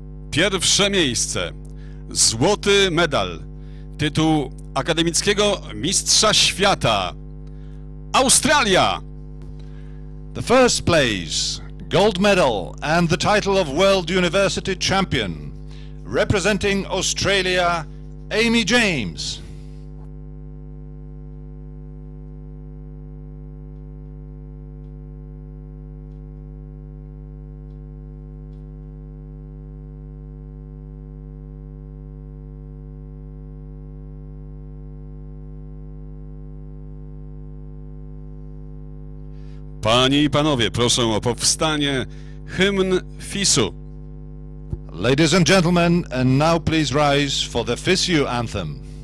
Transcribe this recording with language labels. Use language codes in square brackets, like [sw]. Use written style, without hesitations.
[pl] Pierwsze miejsce, złoty medal, tytuł akademickiego mistrza świata, Australia. [en] The first place, gold medal and the title of world university champion, representing Australia, Amy James. [pl] Panie i panowie, proszę o powstanie hymn FISU. [en] Ladies and gentlemen, and now please rise for the FISU anthem.